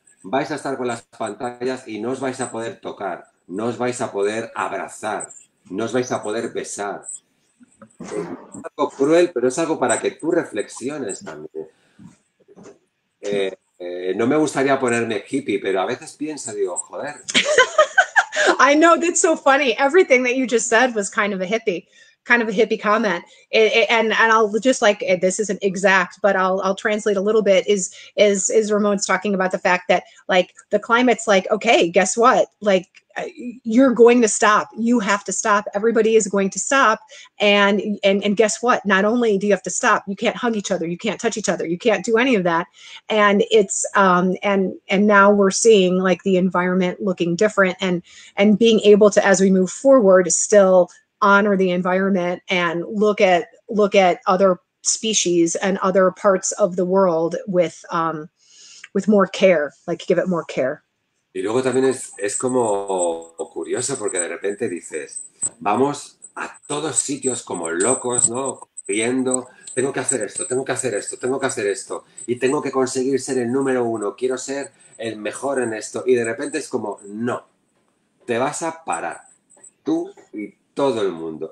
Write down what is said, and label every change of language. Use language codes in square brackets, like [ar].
[es] vais a estar con las pantallas y no os vais a poder tocar, no os vais a poder abrazar, no os vais a poder besar. Es algo cruel, pero es algo para que tú reflexiones también. No me gustaría ponerme hippie, pero a veces pienso, digo, joder. [en] I know, that's so funny. Everything that you just said was kind of a hippie. Kind of a hippie comment, and I'll just like, this isn't exact, but I'll translate a little bit. Is Ramon's talking about the fact that like the climate's like, okay, guess what? Like you're going to stop. You have to stop. Everybody is going to stop. And guess what? Not only do you have to stop, you can't hug each other. You can't touch each other. You can't do any of that. And it's and now we're seeing like the environment looking different, and being able to, as we move forward, still honor the environment and look at other species and other parts of the world with more care, like give it more care. [es] Y luego también es como curioso porque de repente dices, vamos a todos sitios como locos, ¿no? Corriendo, tengo que hacer esto, tengo que hacer esto, tengo que hacer esto y tengo que conseguir ser el número uno, quiero ser el mejor en esto y de repente es como, no, te vas a parar, tú y todo el mundo.